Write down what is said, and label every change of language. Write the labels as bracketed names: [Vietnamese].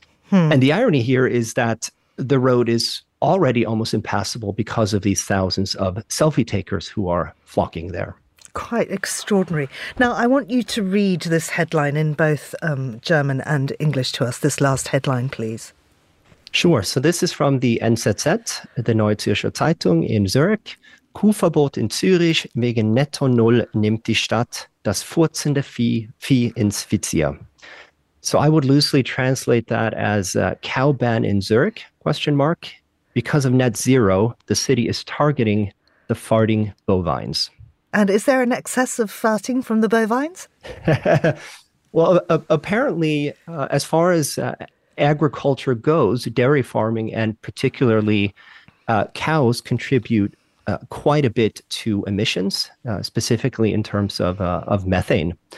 [English] And the irony here is that the road is already almost impassable because of these thousands of selfie takers who are flocking there. Quite extraordinary. Now, I want you to read this headline in both German and English to us, this last headline, please. Sure. So this is from the NZZ, the Neue Zürcher Zeitung in Zurich. [German] Kuhverbot in Zürich wegen Netto Null nimmt die Stadt das furzende Vieh ins Visier. [English] So I would loosely translate that as cow ban in Zurich, ? Because of net zero, the city is targeting the farting bovines. And is there an excess of farting from the bovines? Well, apparently, as far as agriculture goes, dairy farming and particularly cows contribute quite a bit to emissions, specifically in terms of methane.